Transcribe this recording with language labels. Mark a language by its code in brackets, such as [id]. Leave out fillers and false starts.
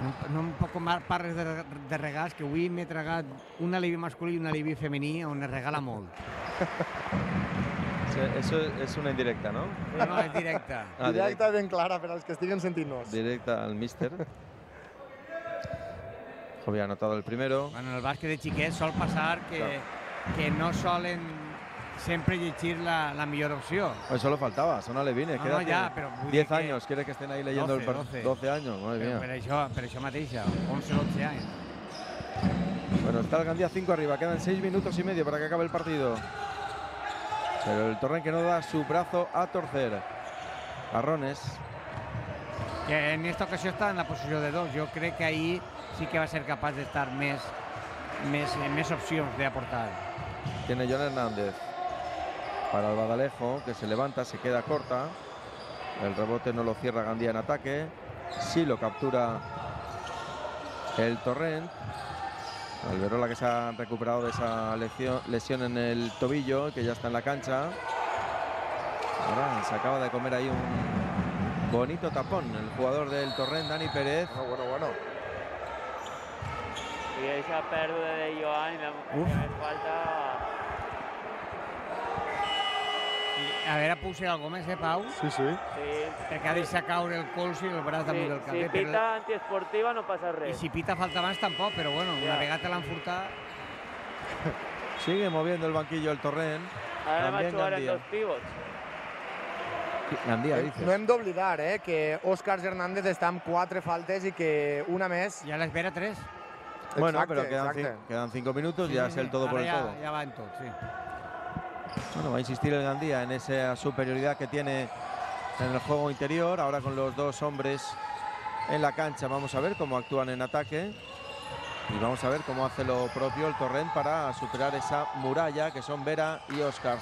[es] No un poco más [ca] pares de regals, que avui m'he tragat un alibi masculí i un alibi femení, on es regala molt. [es] Eso es una indirecta, ¿no? No, es directa. [ca] Ah, directa ben clara, per als que estiguen sentint-nos. Directa al míster. [es] Jovi ha anotado el primero. [ca] Bueno, en el bàsquet de xiquets sol passar que no solen sempre llegir la millor opció. Pues solo faltava, són alevines. No, ja, però [es] 10 anys, quieres que estén ahí leyendo 12, el partido. 12 anys, madre mía. [ca] Per això mateix, 11 o 12 anys. [es] Bueno, está el Gandía 5 arriba, quedan 6 minutos y medio para que acabe el partido. Pero el Torrent que no da su brazo a torcer. Arrones. Que en esta ocasión está en la posición de 2. Yo creo que ahí sí que va a ser capaz de estar més opcions de aportar. Tiene John Hernández. Para el Badalejo, que se levanta, se queda corta. El rebote no lo cierra Gandía en ataque. Sí lo captura el Torrent. Alberola, que se ha recuperado de esa lesión en el tobillo, que ya está en la cancha. Ahora se acaba de comer ahí un bonito tapón el jugador del Torrent, Dani Pérez. Bueno, bueno, bueno. Y esa pérdida de Joan, que me falta. [ca] A veure, puc ser algú més, Pau? Sí, sí. Perquè ha deixat caure el colze i el braç damunt del carrer. Si pita antiesportiva no passa res. I si pita falta abans tampoc, però bueno, una vegada l'han furtat. [es] Sigue moviendo el banquillo el Torrent. [ca] Ara va jugar en dos pivots. [es] Gandía, dices. [ca] No hem d'oblidar que Òscar Hernández està amb 4 faltes i que una més... Ja l'espera 3. Bueno, però quedan 5 minuts, ja és [es] el todo por el todo. [ca] Ara ja va en tot, sí. [es] Bueno, va a insistir el Gandía en esa superioridad que tiene en el juego interior. Ahora con los dos hombres en la cancha vamos a ver cómo actúan en ataque. Y vamos a ver cómo hace lo propio el Torrent para superar esa muralla que son Vera y Óscar.